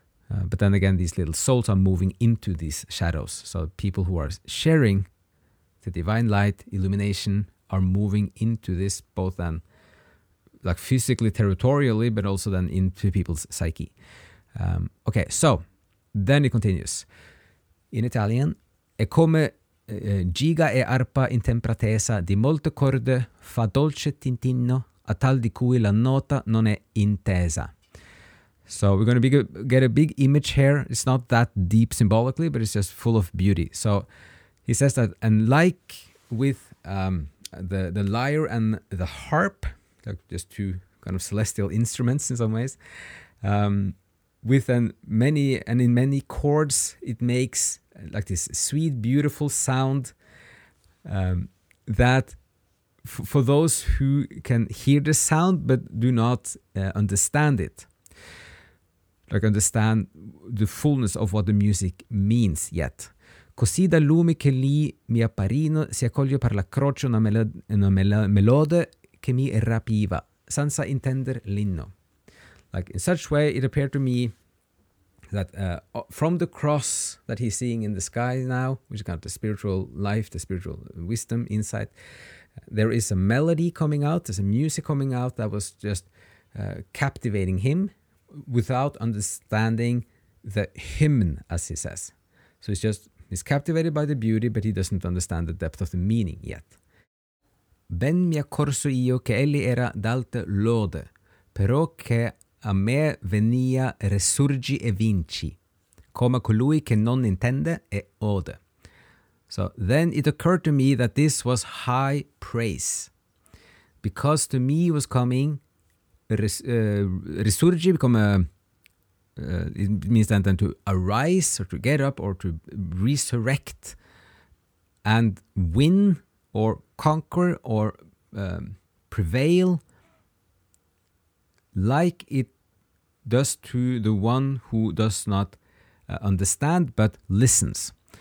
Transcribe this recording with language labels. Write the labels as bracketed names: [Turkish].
[English] But then again, these little souls are moving into these shadows. So people who are sharing the divine light, illumination, are moving into this both then, like physically, territorially, but also then into people's psyche. Okay, so then it continues. In Italian, [Italian] e come giga e arpa in tempra tesa di molte corde fa dolce tintinno a tal di cui la nota non è intesa. [English] So we're going to get a big image here. It's not that deep symbolically, but it's just full of beauty. So he says that, and like with the lyre and the harp, just two kind of celestial instruments in some ways, in many chords, it makes like this sweet, beautiful sound that for those who can hear the sound but do not understand it, like understand the fullness of what the music means yet. [Italian] Così da lume che lì mi apparino si accoglie per la croce una melode che mi rapiva senza intender l'inno. [English] Like in such way it appeared to me that from the cross that he's seeing in the sky now, which is kind of the spiritual life, the spiritual wisdom, insight, there is a melody coming out, there's a music coming out that was just captivating him without understanding the hymn, as he says. So it's just, he's captivated by the beauty, but he doesn't understand the depth of the meaning yet. [Italian] Ben mi accorso io che egli era d'alte lode, però che a me venia resurgi e vinci, come colui che non intende e ode. [English] So then it occurred to me that this was high praise, because to me was coming resurgi, become it means then to arise or to get up or to resurrect and win or conquer or prevail, like it does to the one who does not understand but listens.